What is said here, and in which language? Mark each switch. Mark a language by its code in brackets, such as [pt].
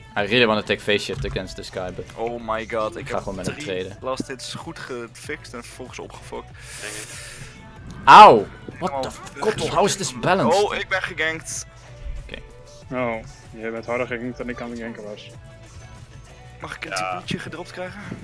[en] I really want to take face shift against this guy, but... [nl] Oh my god, ik ga gewoon met hem treden. Last hit is goed gefixt en vervolgens opgefokt. Auw! [en] What the Kotl, how is this balanced? [nl] Oh, ik ben gegankt. Oké. Okay. Oh, jij bent harder gegankt dan ik aan de ganken was. Mag ik een tipje gedropt krijgen?